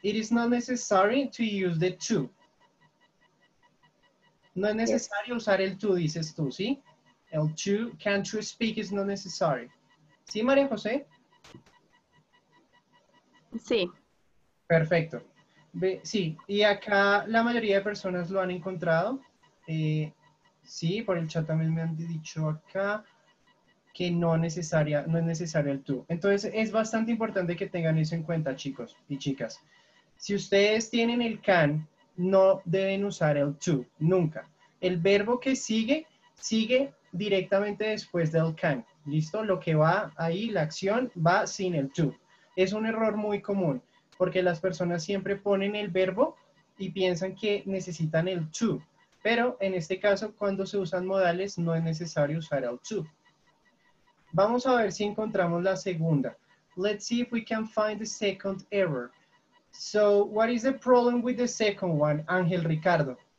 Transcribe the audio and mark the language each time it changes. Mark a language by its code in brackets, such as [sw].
[en] it is not necessary to use the to. [es] No es necesario usar el to, dices tú, ¿sí? [en] El to, can't you speak, is not necessary. [es] ¿Sí, María José? Sí. Perfecto. Sí, y acá la mayoría de personas lo han encontrado. Sí, por el chat también me han dicho acá que no es necesario el to. Entonces, es bastante importante que tengan eso en cuenta, chicos y chicas. Si ustedes tienen el can, no deben usar el to, nunca. El verbo que sigue, sigue directamente después del can. ¿Listo? Lo que va ahí, la acción, va sin el to. Es un error muy común, porque las personas siempre ponen el verbo y piensan que necesitan el to. Pero en este caso, cuando se usan modales, no es necesario usar el to. Vamos a ver si encontramos la segunda. [en] Let's see if we can find the second error. So, what is the problem with the second one, Ángel Ricardo?